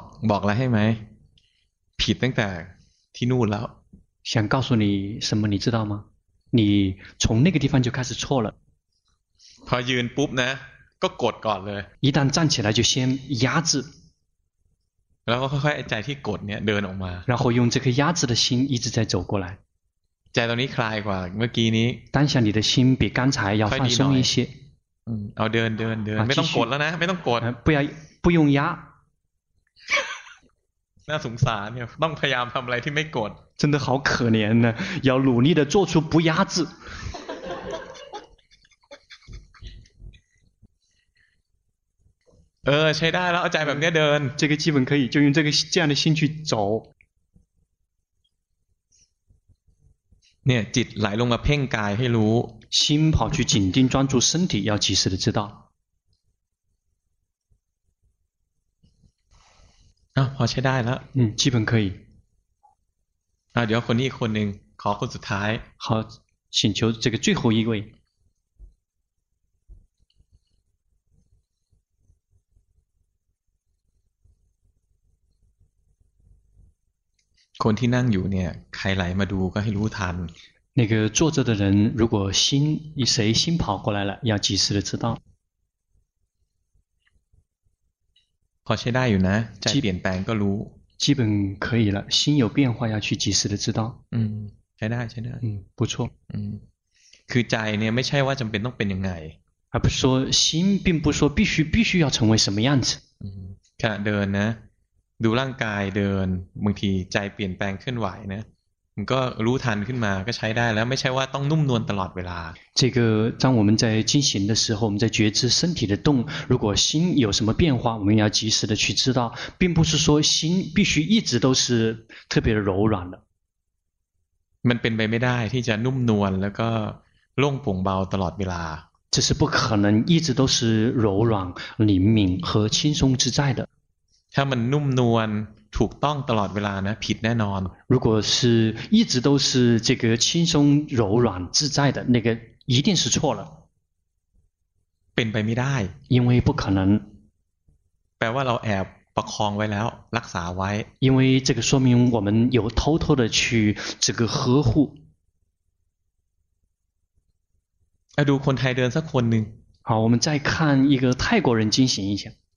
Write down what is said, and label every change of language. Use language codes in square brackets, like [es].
[th] บอกแล้วให้ไหมผิดตั้งแต่ที่นู่นแล้ว [zh] 想告诉你什么你知道吗你从那个地方就开始错了 [th] พอยืนปุ๊บนะก็กดก่อนเลย [zh] 一旦站起来就先压制 [th] แล้วก็ค่อยๆใจที่กดเนี่ยเดินออกมา [zh] 然后用这颗压制的心一直在走过来 [th] ใจตรงนี้คลายกว่าเมื่อกี้นี้ [zh] 当下你的心比刚才要放松一些 [th] เอาเดินเดินเดินไม่ต้องกดแล้วนะไม่ต้องกด [zh] 不用压 [th] น่าสงสารเนี่ยต้องพยายามทำอะไรที่ไม่กด [zh] 真的好可怜呢要努力的做出不压制 [th] เออใช้ได้แล้วเอาใจแบบนี้เดิน [zh] 这个基本可以就用这样的心去走 [th] เนี่ยจิตไหลลงมาเพ่งกายให้รู้ [zh] 心跑去紧盯专注身体要及时的知道 [th] อ่ะพอใช้ได้แล้ว อืมที่เพิ่งเคย อ่ะเดี๋ยวคนนี้คนหนึ่งขอคนสุดท้าย [zh] ขอ请求这个最后一位 [th] คนที่นั่งอยู่เนี่ยใครไหลมาดูก็ให้รู้ทัน [zh] 那个坐着的人如果心谁心跑过来了要及时的知道 [th] พอใช้ได้อยู่นะใจเปลี่ยนแปลงก็รู้ [zh] 基本可以了心有变化要去及时的知道 [th] ใช้ได้ใช้ได้ [zh] 不错 [th] คือใจเนี่ยไม่ใช่ว่าจำเป็นต้องเป็นยังไง [zh] อ่ะ不是说心并不说必须要成为什么样子 [th] ขณะเดินนะดูร่างกายเดินบางทีใจเปลี่ยนแปลงเคลื่อนไหวนะมันก็รู้ทันขึ้นมาก็ใช้ได้แล้วไม่ใช่ว่าต้องนุ่มนวลตลอดเวลา [zh] 这个当我们在进行的时候我们在觉知身体的动如果心有什么变化我们要及时的去知道并不是说心必须一直都是特别柔软的 [th] มันเป็นไปไม่ได้ที่จะนุ่มนวลแล้วก็โล่งโปร่งเบาตลอดเวลา [zh] 这是不可能一直都是柔软灵敏和轻松自在的 [th] ถ้ามันนุ่มนวลถูกต้องตลอดเวลานะผิดแน่นอน [zh] 如果是一直都是这个轻松柔软自在的那个一定是错了 [th] เป็นไปไม่ได้ [zh] 因为不可能 [th] แปลว่าเราแอบประคองไว้แล้วรักษาไว้ [zh] 因为这个说明我们有偷偷的去这个呵护 [th] ดูคนไทยเดินสักคนหนึ่ง [zh] 好我们再看一个泰国人进行一下